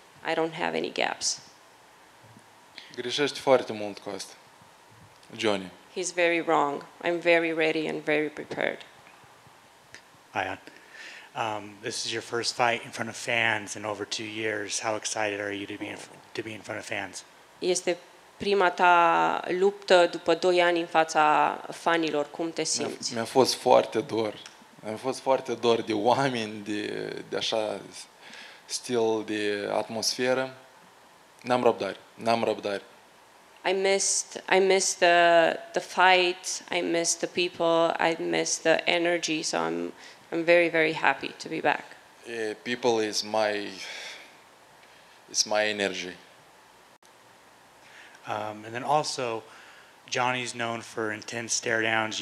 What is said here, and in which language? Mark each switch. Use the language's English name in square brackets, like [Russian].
[English] I don't have any gaps. [Romanian] Greșești foarte mult cu asta, Johnny. [English] He's very wrong. I'm very ready and very prepared. Hi, Ann. This is your first fight in front of fans in over 2 years. How excited are you to be in front of fans? [Romanian] Este prima ta luptă după 2 ani în fața fanilor, cum te simți? Mi-a fost foarte dor. Mi-a fost foarte dor de oameni, de așa stil de atmosferă. N-am răbdare, n-am răbdare. [English] I missed the fight, I missed the people, I missed the energy, so I'm very, very happy to be back. Yeah, people is my energy. And then also, Johnny's known for intense stare downs.